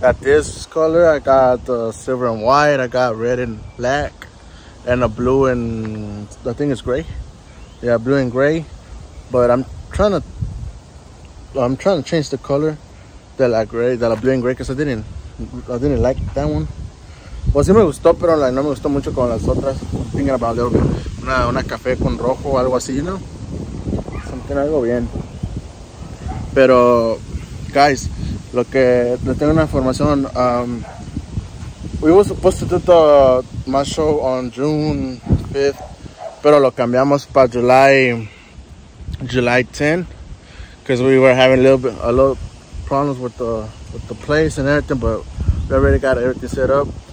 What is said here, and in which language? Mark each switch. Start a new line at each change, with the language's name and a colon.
English: Got this color, I got the silver and white, I got red and black, and a blue and I think it's gray. Yeah, blue and gray. But I'm trying to change the color
Spanish: de la
English: gray, de la blue and gray, because I didn't like that one.
Spanish: Pues sí me gustó, pero like, no me gustó mucho con las otras.
English: I'm thinking about a little bit.
Spanish: Una café con rojo o algo así,
English: you know? Something
Spanish: algo bien. Pero, guys, lo que le tengo una información,
English: We were supposed to do the my show on June 5th,
Spanish: pero lo cambiamos para
English: July 10th, because we were having a little problems with the place and everything, but we already got everything set up.